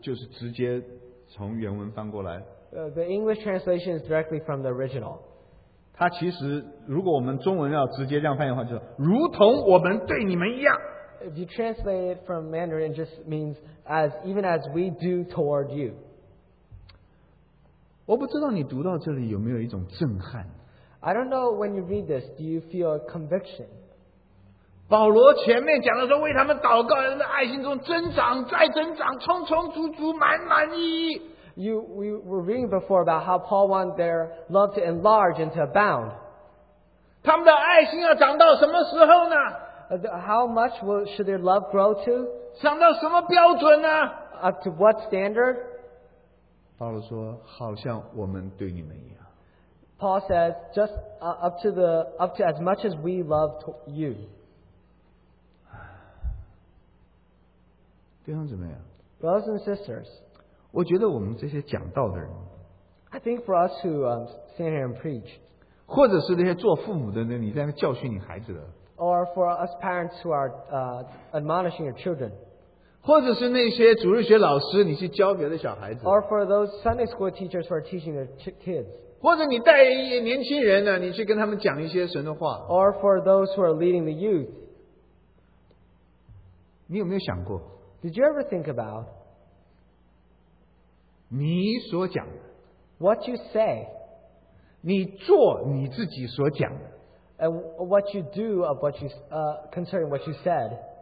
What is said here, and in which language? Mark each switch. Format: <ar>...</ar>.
<zh>英文的翻译是就是直接从原文翻过来。</zh> <en>The English translation is directly from the original.</en> <zh>它其实如果我们中文要直接这样翻译的话，就是如同我们对你们一样。</zh> <en>If you translate it from Mandarin, it just means as even as we do toward you.</en> <zh>我不知道你读到这里有没有一种震撼。</zh> <en>I don't know when you read this, do you feel a conviction?</en> <zh>保罗前面讲的说为他们祷告，人的爱心中增长，再增长，充充足足，满满意意。</zh> <en>We were reading before about how Paul wanted their love to enlarge and to abound.</en> <zh>他们的爱心要长到什么时候呢？</zh> <en>How much should their love grow to?</en> <zh>长到什么标准呢？</zh> <en>Up to what standard?</en> <zh>保罗说, 好像我们对你们一样。</zh> <en>Paul says, just up to as much as we love you.</en> <zh>弟兄姊妹啊,</zh> <en>brothers and sisters,</en> <zh>我觉得我们这些讲道的人,</zh> <en>I think for us who stand here and preach,</en> <zh>或者是那些做父母的，你在教训你孩子的。</zh> <en>Or for us parents who are admonishing your children.</en> <zh>或者是那些主日学老师，你去教别的小孩子。</zh> <en>Or for those Sunday school teachers who are teaching their kids.</en> <zh>或者你带年轻人呢，你去跟他们讲一些神的话。</zh> <en>Or for those who are leading the youth.</en> <zh>你有没有想过？</zh> <en>Did you ever think about?</en> <zh>你所讲的。</zh> <en>What you say.</en> <zh>你做你自己所讲的。</zh> <en>And what you do of what you concerning what you said.</en>